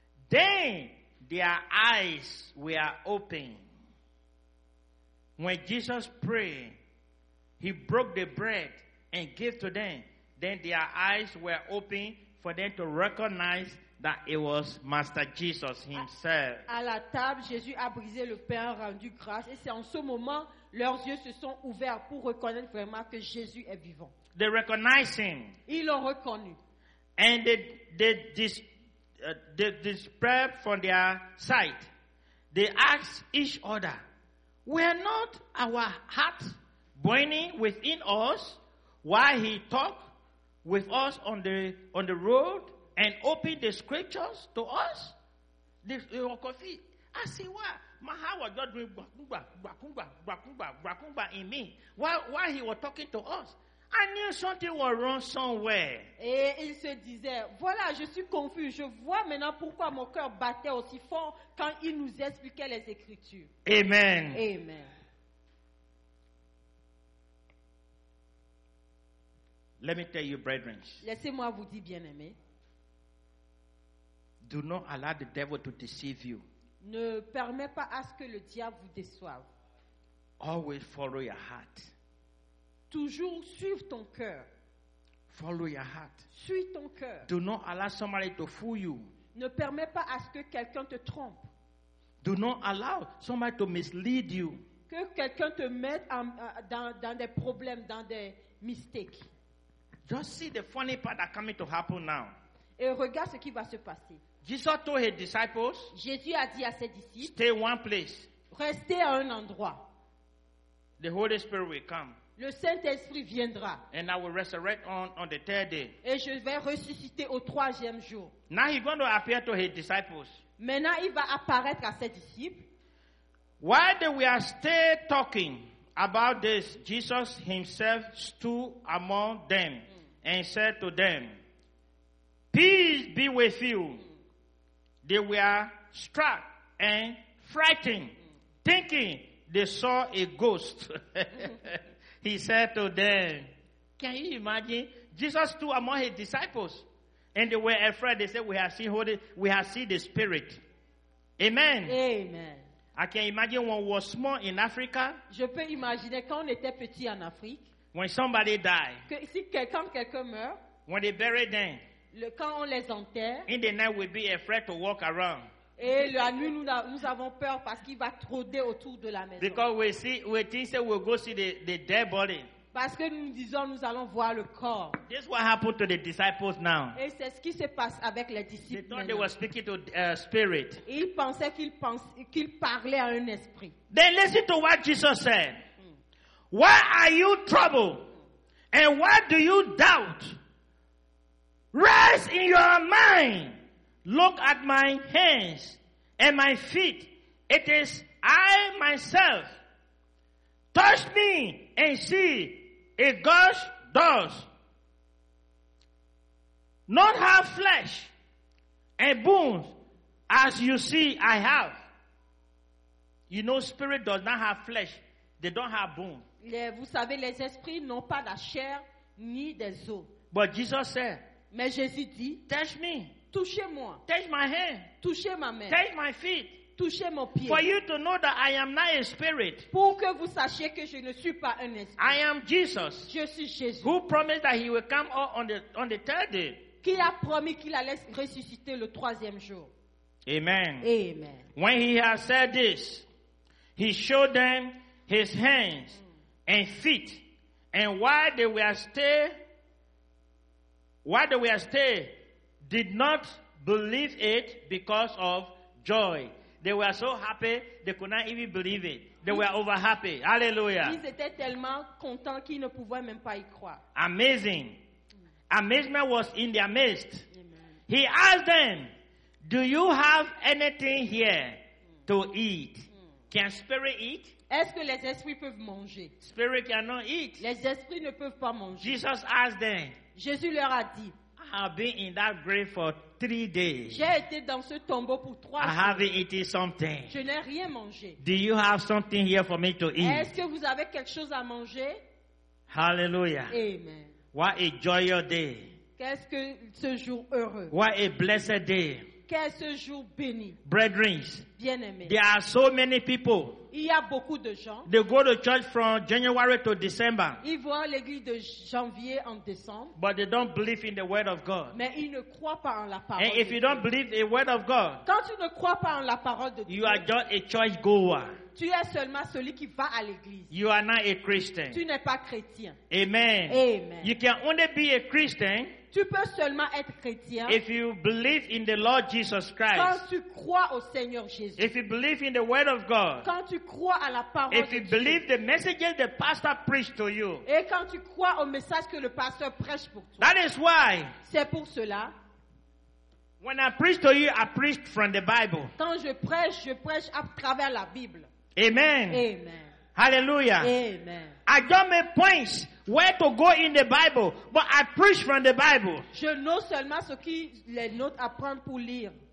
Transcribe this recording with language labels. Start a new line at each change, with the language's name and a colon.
English: Then their eyes were open. When Jesus prayed, he broke the bread and gave to them. Then their eyes were open for them to recognize that it was Master Jesus himself.
French: À la table, Jésus a brisé le pain, rendu grâce, et c'est en ce moment leurs yeux se sont ouverts pour reconnaître vraiment que Jésus est vivant.
English: They recognized him.
French: Ils l'ont reconnu.
English: And they disappeared from their sight. They asked each other, were not our hearts burning within us while he talked with us on the road and opened the scriptures to us? They were confused. I say, why? My heart was just doing guacumba, guacumba, guacumba, guacumba in me. Why he was talking to us? I knew something was wrong somewhere.
French: Et il se disait, voilà, je suis confus. Je vois maintenant pourquoi mon cœur battait aussi fort quand il nous expliquait les Écritures.
English: Amen. Amen. Let me tell you, brethren.
French: Laissez-moi vous dire, bien-aimés.
English: Do not allow the devil to deceive you.
French: Ne permet pas à ce que le diable vous déçoive.
English: Always follow your heart.
French: Toujours suivre ton cœur.
English: Follow your heart.
French: Suis ton cœur.
English: Do not allow somebody to fool you.
French: Ne permet pas à ce que quelqu'un te trompe.
English: Do not allow somebody to mislead you.
French: Que quelqu'un te mette dans des problèmes, dans des mistakes.
English: Just see the funny part that's coming to happen now.
French: Et regarde ce qui va se passer.
English: Jesus told his disciples,
French: Jésus a dit à ses disciples,
English: stay one place.
French: Restez à un endroit.
English: The Holy Spirit will come.
French: Le Saint-Esprit viendra.
English: And I will resurrect on the third day.
French: Et je vais ressusciter au troisième jour.
English: Now he's going to appear to his disciples.
French: Maintenant, il va apparaître à ses disciples.
English: While they were still talking about this, Jesus himself stood among them and said to them, peace be with you. They were struck and frightened, thinking they saw a ghost. He said to them, can you imagine? Jesus stood among his disciples, and they were afraid. They said, we have seen the Spirit. Amen. Amen. I can imagine when we were small in Africa.
French: Je peux imaginer quand on était petit en Afrique.
English: When somebody died.
French: Que si quelqu'un meurt.
English: When they buried them.
French: Quand on les enterre.
English: In the night, we'd be afraid to walk around.
French: Et la nuit, nous avons peur parce qu'il va trôder autour de la maison.
English: Because we think we'll go see the dead body.
French: Parce que nous disons, nous allons voir le corps.
English: This is what happened to the disciples now.
French: Et c'est ce qui se passe avec les disciples.
English: They thought they were speaking to a spirit.
French: Ils pensaient qu'ils parlaient à un esprit.
English: Then listen to what Jesus said. Why are you troubled? And why do you doubt? Rest in your mind. Look at my hands and my feet. It is I myself. Touch me and see if God does. Not have flesh and bones as you see I have. You know, spirit does not have flesh. They don't have bones.
French: Vous savez, les esprits n'ont pas la chair ni des os.
English: But Jesus said,
French: mais Jésus dit,
English: touch me.
French: Touchez-moi.
English: Touch my hand.
French: Touchez ma main.
English: Touch my feet.
French: Touchez mon pied.
English: For you to know that I am not a spirit.
French: Pour que vous sachiez que je ne suis pas un esprit.
English: I am Jesus.
French: Je suis Jésus.
English: Who promised that he will come on the third day.
French: Qui a promis qu'il allait ressusciter le troisième jour.
English: Amen. Amen. When he had said this, he showed them his hands and feet. And while they were still, did not believe it because of joy. They were so happy, they could not even believe it. They were over happy. Hallelujah.
French: Ils étaient tellement contents qu'ils ne pouvaient même pas y croire.
English: Amazing. Amazement was in their midst. Amen. He asked them, do you have anything here to eat? Can spirit eat?
French: Est-ce que les esprits peuvent manger?
English: Spirit cannot eat.
French: Les esprits ne peuvent pas manger.
English: Jesus asked them.
French: Jésus leur a dit.
English: I have been in that grave for 3 days.
French: J'ai été dans ce tombeau pour 3 jours.
English: I haven't eaten something.
French: Je n'ai rien mangé.
English: Do you have something here for me to eat?
French: Est-ce que vous avez quelque chose à manger?
English: Hallelujah. Amen. What a joyous day.
French: Qu'est-ce que ce jour heureux?
English: What a blessed day.
French: Qu'est-ce jour béni?
English: Brethren,
French: bien-aimés,
English: there are so many people.
French: Il y a beaucoup de gens.
English: They go to church from January to December.
French: Ils voient l'église de janvier en décembre.
English: But they don't believe in the word of God.
French: Mais ils ne croient pas en la parole.
English: And if you don't believe the word of God,
French: quand tu ne crois pas en la parole de Dieu,
English: you are just a church goer.
French: Tu es seulement celui qui va à l'église.
English: You are not a Christian.
French: Tu n'es pas chrétien.
English: Amen. Amen. You can only be a Christian.
French: Tu peux seulement être chrétien.
English: If you believe in the Lord Jesus Christ.
French: Quand tu crois au Seigneur Jésus.
English: If you believe in the word of God.
French: Quand tu crois à la parole de Dieu.
English: If you believe the messages the pastor preached to you.
French: Et quand tu crois au message que le pasteur prêche pour toi.
English: That is why.
French: C'est pour cela.
English: When I preach to you, I preach from the Bible.
French: Quand je prêche à travers la Bible.
English: Amen. Amen. Hallelujah. Amen. I don't make points where to go in the Bible, but I preach from the Bible.
French: Je know seulement ce qui les notes à prendre pour lire.